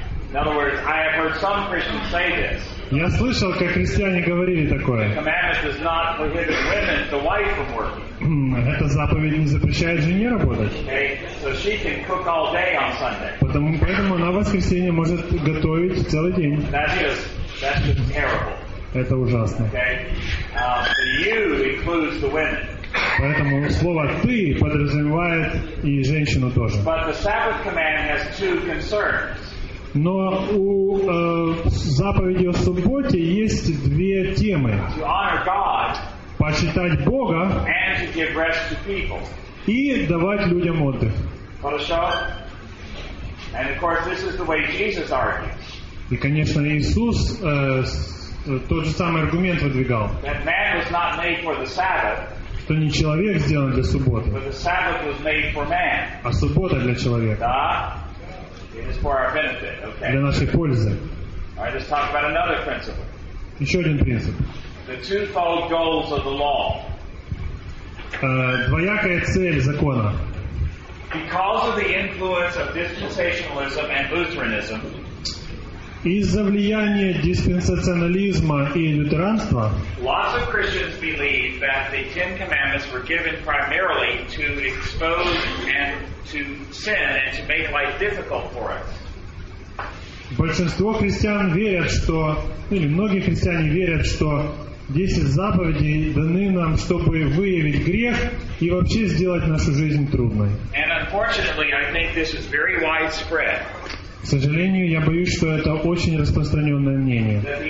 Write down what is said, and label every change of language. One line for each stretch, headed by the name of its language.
English: In other words, I have heard some Christians say this.
Russian: Я слышал, как христиане говорили такое.
English: The commandment does not prohibit women, the wife, from working.
Russian: Эта заповедь не запрещает жене работать.
English: Okay. So she can cook all day on Sunday.
Russian: Поэтому она в воскресенье может готовить целый день.
English: That's just terrible.
Russian: Это ужасно.
English: Okay. You includes the women.
Russian: Поэтому слово «ты» подразумевает и женщину тоже.
English: But the Sabbath command has two concerns.
Russian: Но у заповеди о субботе есть две темы.
English: To honor God,
Russian: почитать Бога
English: and to give rest to people.
Russian: И давать людям отдых.
English: And of course, this is the way Jesus argues.
Russian: И, конечно, Иисус тот же самый аргумент выдвигал.
English: That man was not made for the Sabbath,
Russian: что не человек сделан для субботы,
English: but the Sabbath was made for man.
Russian: А суббота для человека. Да.
English: It is for our benefit. Okay.
Russian: Для нашей пользы.
English: All right, let's talk about another principle.
Russian: Еще один принцип.
English: The twofold goals of the law.
Russian: Двоякая цель закона.
English: Because of the influence of dispensationalism and Lutheranism.
Russian: Из-за влияния диспенсационализма и лютеранства.
English: Lots of Christians believe that the Ten Commandments were given primarily to expose and to sin and to make life difficult for us.
Russian: Большинство христиан верят, что, или многие христиане верят, что 10 заповедей даны нам, чтобы выявить грех и вообще сделать нашу жизнь трудной.
English: And unfortunately, I think this is very widespread.
Russian: К сожалению, я боюсь, что это очень распространенное мнение.